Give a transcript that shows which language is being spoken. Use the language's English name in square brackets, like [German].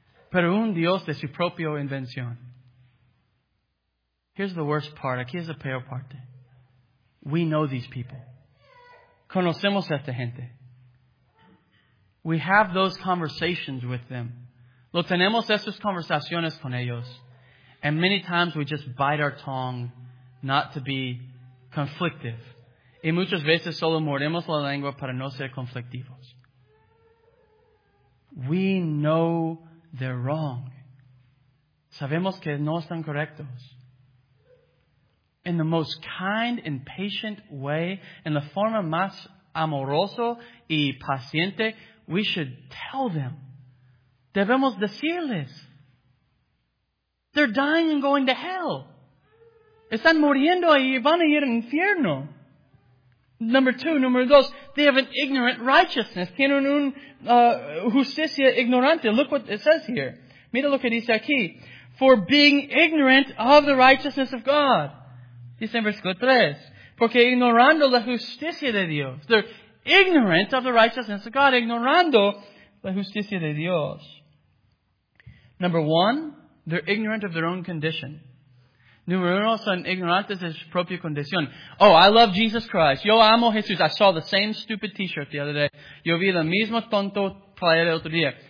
[Spanish] Pero un Dios de su propia invención. [English] Here's the worst part. [Spanish] Aquí es la peor parte. We know these people. Conocemos a esta gente. [English] We have those conversations with them. [Spanish] Lo tenemos esas conversaciones con ellos. [English] And many times we just bite our tongue not to be conflictive. [Spanish] Y muchas veces solo mordemos la lengua para no ser conflictivos. [English] We know they're wrong. [Spanish] Sabemos que no están correctos. [English] In the most kind and patient way, in the [Spanish] forma más amoroso y paciente, [English] we should tell them. [Spanish] Debemos decirles. [English] They're dying and going to hell. [Spanish] Están muriendo y van a ir al infierno. [English] Number two, they have an ignorant righteousness. [Spanish] Tienen una justicia ignorante. [English] Look what it says here. [Spanish] Mira lo que dice aquí. [English] For being ignorant of the righteousness of God. [Spanish] Dice en versículo 3. Porque ignorando la justicia de Dios. [English] They're ignorant of the righteousness of God. [Spanish] Ignorando la justicia de Dios. [English] Number one, they're ignorant of their own condition. [Spanish] Número uno, son ignorantes de su propia condición. [English] Oh, I love Jesus Christ. [Spanish] Yo amo Jesús. [English] I saw the same stupid t-shirt the other day. [Spanish] Yo vi la misma tonto playera el otro día.